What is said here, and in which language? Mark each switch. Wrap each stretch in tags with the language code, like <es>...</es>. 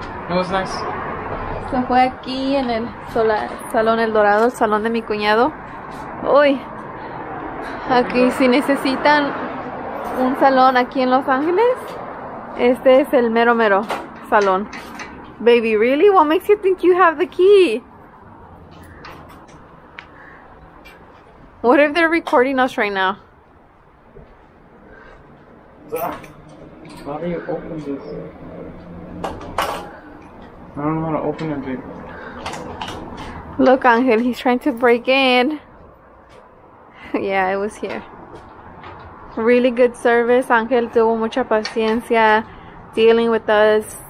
<en>It was nice.</en> <es>Se fue aquí en el salón El Dorado, el salón de mi cuñado. ¡Uy! Aquí, si necesitan un salón aquí en Los Ángeles, este es el mero mero salón.</es> <en>Baby, really? What makes you think you have the key? What if they're recording us right now? How do you open this? I don't know how to open it, baby. Look, Angel, he's trying to break in. Yeah, it was here. Really good service.</en> <es>Angel tuvo mucha paciencia</es> <en>dealing with us.</en>